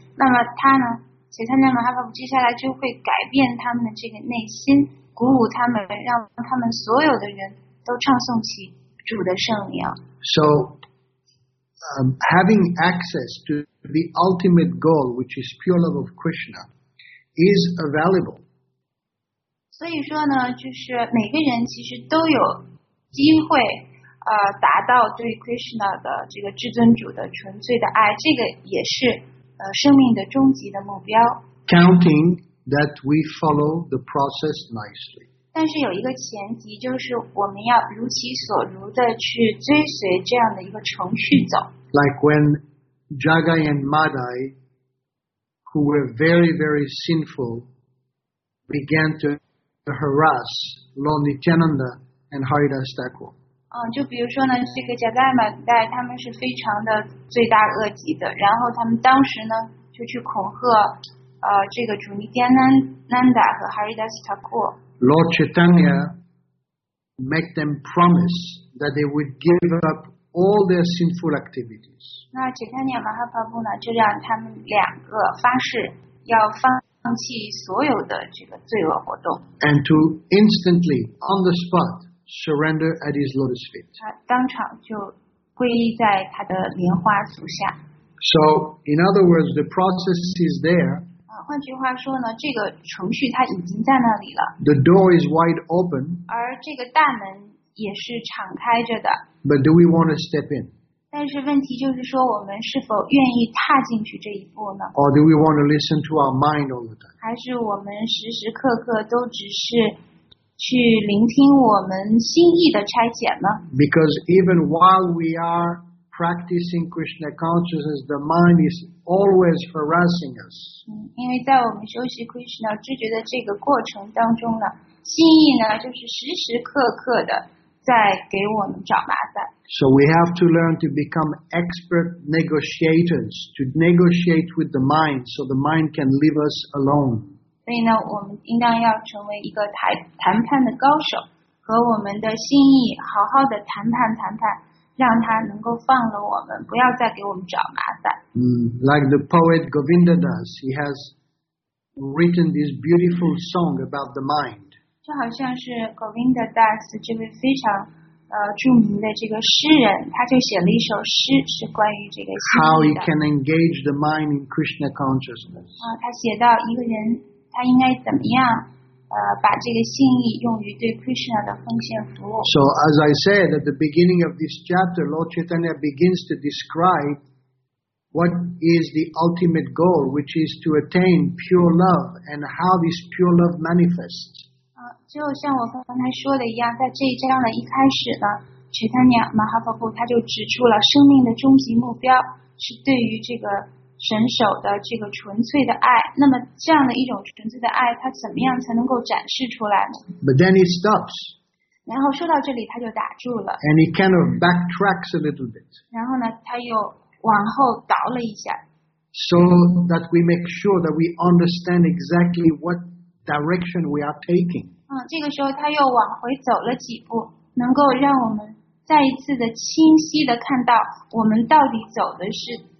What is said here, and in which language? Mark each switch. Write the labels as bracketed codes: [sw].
[zh] 那么他呢，其他的马哈帕布接下来就会改变他们的这个内心，鼓舞他们，让他们所有的人都唱诵起主的圣名。 [en] So, having access to the ultimate goal, which is pure love of Krishna, is available. [zh] 所以说呢，就是每个人其实都有机会，达到对 Krishna 的这个至尊主的纯粹的爱，这个也是生命的终极的目标。 [en] Counting that we follow the process nicely. [zh] 但是有一个前提，就是我们要如其所如的去追随这样的一个程序走。 [en] Like when Jagai and Madai, who were very very sinful, began to harass Lord Nityananda and Haridas Thakur. [zh] 就比如说呢，这个贾盖马代他们是非常的罪大恶极的，然后他们当时呢就去恐吓，这个主尼坚南达和 Haridas Thakur. [en] Lord Chaitanya make them promise that they would give up all their sinful activities. [zh] 那贾盖尼亚马哈帕布呢，就让他们两个发誓要放弃所有的这个罪恶活动 [en] ，and to instantly on the spot surrender at his lotus feet. [zh] 他当场就皈依在他的莲花足下。 [en] So in other words, the process is there. [zh] 换句话说呢，这个程序它已经在那里了。 [en] The door is wide open. [zh] 而这个大门也是敞开着的。 [en] But do we want to step in? [zh] 但是问题就是说，我们是否愿意踏进去这一步呢？ [en] Or do we want to listen to our mind all the time? [zh] 还是我们时时刻刻都只是去聆听我们心意的差遣呢？ [en] Because even while we are practicing Krishna consciousness, the mind is always harassing us. [zh] 因为在我们修习 Krishna 知觉的这个过程当中呢，心意呢就是时时刻刻的在给我们找麻烦。 [en] So we have to learn to become expert negotiators, to negotiate with the mind, so the mind can leave us alone. [zh] 所以呢，我们应当要成为一个谈判的高手，和我们的心意好好的谈判谈判。让他能够放了我们，不要再给我们找麻烦。 [en] Like the poet Govinda does, he has written this beautiful song about the mind. [zh] 就好像是 Govinda Das 这位非常著名的这个诗人，他就写了一首诗，是关于这个心的。 [en] How he can engage the mind in Krishna consciousness. [zh] 他写到一个人，他应该怎么样？把这个心意用于对 Krishna 的奉献服务。 [en] So as I said at the beginning of this chapter, Lord Chaitanya begins to describe what is the ultimate goal, which is to attain pure love, and how this pure love manifests. [zh] 就像我刚才说的一样，在这一章的一开始呢， Chaitanya Mahaprabhu 他就指出了生命的终极目标是对于这个。神手的这个纯粹的爱，那么这样的一种纯粹的爱，它怎么样才能够展示出来呢？ [en] But then he stops. [zh] 然后说到这里，他就打住了。 [en] And he kind of backtracks a little bit. [zh] 然后呢，他又往后倒了一下。 [en] So that we make sure that we understand exactly what direction we are taking. [zh] 这个时候他又往回走了几步，能够让我们再一次的清晰的看到我们到底走的是。